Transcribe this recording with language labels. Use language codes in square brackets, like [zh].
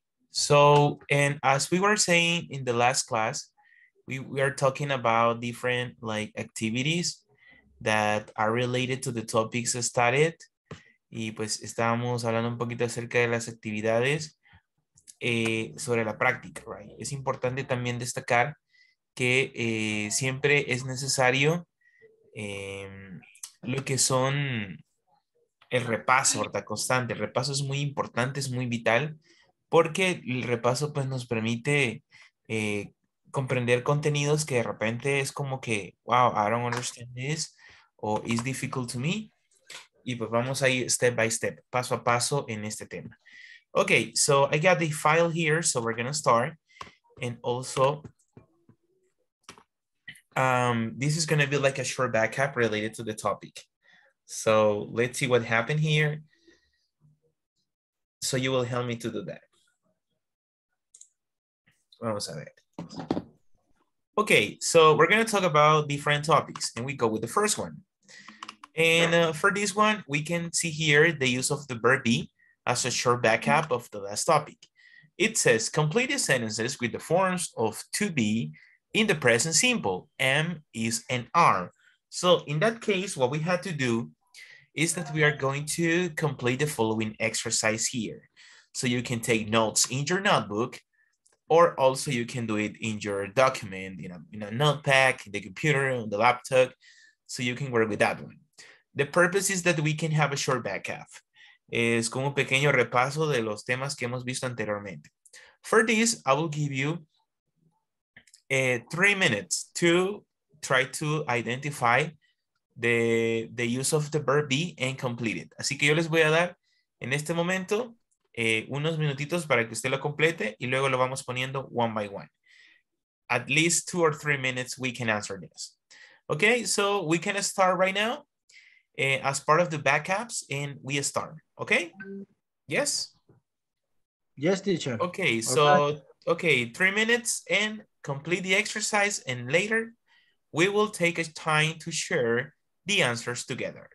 [en] So, and as we were saying in the last class, we are talking about different like activities that are related to the topics studied. [es] Y pues estábamos hablando un poquito acerca de las actividades sobre la práctica, right? Es importante también destacar que siempre es necesario lo que son el repaso, ¿verdad? Constante. El repaso es muy importante, es muy vital, porque el repaso pues nos permite comprender contenidos que de repente es como que, [en] wow, I don't understand this, [es] o [en] it's difficult to me. [es] Y pues vamos a ir [en] step by step, [es] paso a paso en este tema. [en] Okay, so I got the file here, so we're gonna start. And also, this is gonna be like a short backup related to the topic. So let's see what happened here. So you will help me to do that. [es] Vamos a ver. [en] Okay, so we're gonna talk about different topics and we go with the first one. And for this one, we can see here the use of the verb be as a short backup of the last topic. It says, complete the sentences with the forms of to be in the present simple, am, is, and are. So in that case, what we had to do is that we are going to complete the following exercise here. So you can take notes in your notebook, or also you can do it in your document, in a notepad, in the computer, on the laptop, so you can work with that one. The purpose is that we can have a short backup. [es] Es como un pequeño repaso de los temas que hemos visto anteriormente. [en] For this, I will give you 3 minutes to try to identify the use of the verb be and complete it. [es] Así que yo les voy a dar en este momento unos minutitos para que usted lo complete y luego lo vamos poniendo [en] one by one. At least 2 or 3 minutes we can answer this. Okay, so we can start right now as part of the backups and we start. Okay? Yes? Yes, teacher. Okay, so, okay, 3 minutes and complete the exercise and later we will take a time to share the answers together.